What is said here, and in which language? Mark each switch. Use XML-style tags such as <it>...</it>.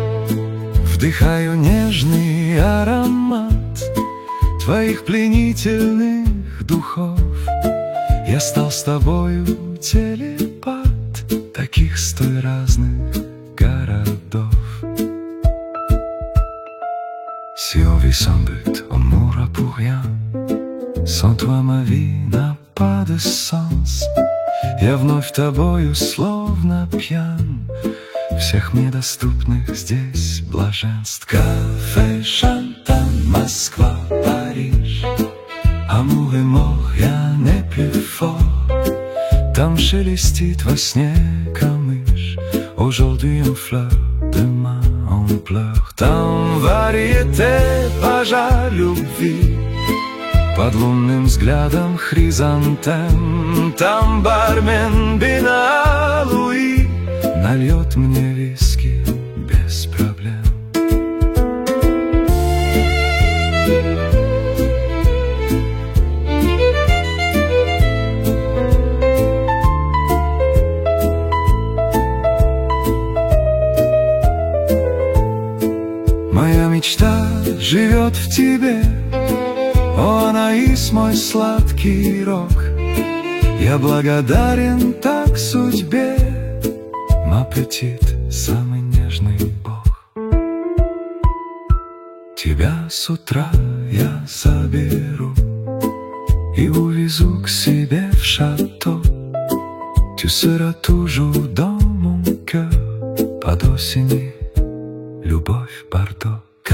<ru>Вдыхаю нежный аромат твоих пленительных духов. Я стал с тобою телепат таких столь разных городов.</ru> <fr>Si on vit sans but, on mourra pour rien. Sans toi ma vie n'a pas de sens.</fr> <ru>Я вновь тобою словно пьян. Всех мне доступных здесь блаженств. Café Chantant, Москва, Париж.</ru> <fr>Amour et mort,</fr> <ru>я не</ru> <fr>plus fort.</fr> <ru>Там шелестит во сне камыш.</ru> <fr>Aujourd'hui en fleur, demain en pleur.</fr> <ru>Там variété, пожар любви. Под лунным взглядом хризантем. Там бармен Бен-Алуи нальет мне виски без проблем. Моя мечта живет в тебе, о, Анаис, мой сладкий рок. Я благодарен так судьбе. Аппетит, самый нежный бог. Тебя с утра я заберу и увезу к себе в шато.</ru> <fr>Tu seras toujours dans mon cœur.</fr> <ru>Под осенью любовь Бордо.</ru>